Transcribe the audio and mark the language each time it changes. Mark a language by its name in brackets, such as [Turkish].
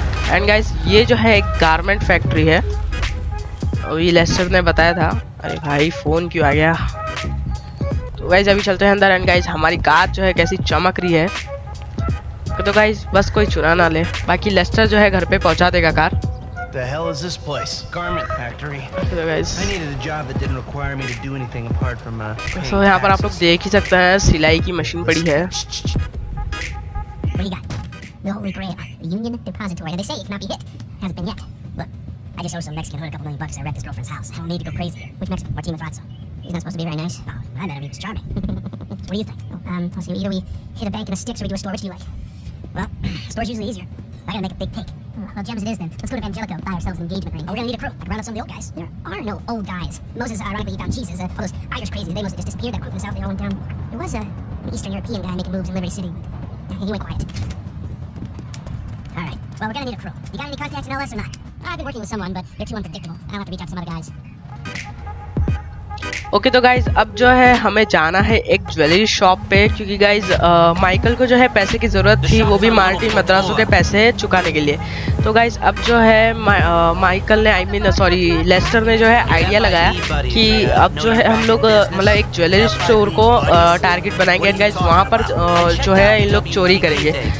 [Hindi] And guys ये जो है एक गारमेंट फैक्ट्री है, अभी लेस्टर ने बताया था। अरे भाई फ़ोन क्यों आ गया। तो गाइज अभी चलते हैं अंदर। एंड गाइज हमारी कार जो है कैसी चमक रही है, तो गाइज बस कोई चुरा ना ले, बाकी लेस्टर जो है घर पर पहुँचा देगा car. [English] the hell is this place? Garment factory. Hello guys. I needed a job that didn't require me to do anything apart from [Hindi] So यहाँ पर आप लोग देख ही सकते हैं सिलाई की मशीन पड़ी है. [English] What do you got? The Holy Grail, Union Depository. They say it cannot be hit. Hasn't been yet. Look, I just owe some Mexican hood a couple $1,000,000 to rent this girlfriend's house. I don't need to go crazy. Which Mexican? Martín Lozano. He's not supposed to be very nice. Oh, I met him. He was charming. So what do you think? Let's see. Either we hit a bank in the sticks or we do a store. Which do you like? Well, store's usually easier. I gotta make a big take. Well, gems it is then. Let's go to Evangelico, buy ourselves an engagement ring. Oh, we're gonna need a crew. I can round up some of the old guys. There are no old guys. Moses, ironically, found Jesus. All those Irish crazies, they mostly just disappeared. They're moving south, they're all down. There was an Eastern European guy making moves in Liberty City. He went quiet. Alright, well, we're gonna need a crew. You got any contacts in LS or not? I've been working with someone, but they're too unpredictable. I'll have to reach out to some other guys. [Hindi] Okay तो guys अब जो है हमें जाना है एक jewellery shop पे क्योंकि गाइज माइकल को जो है पैसे की ज़रूरत थी वो भी मार्टिन मद्रासो के पैसे चुकाने के लिए. तो गाइज अब जो है माइकल ने लेस्टर ने जो है आइडिया लगाया कि अब जो है हम लोग मतलब एक ज्वेलरी स्टोर को टारगेट बनाएंगे एंड गाइज वहाँ पर जो है इन लोग चोरी करेंगे.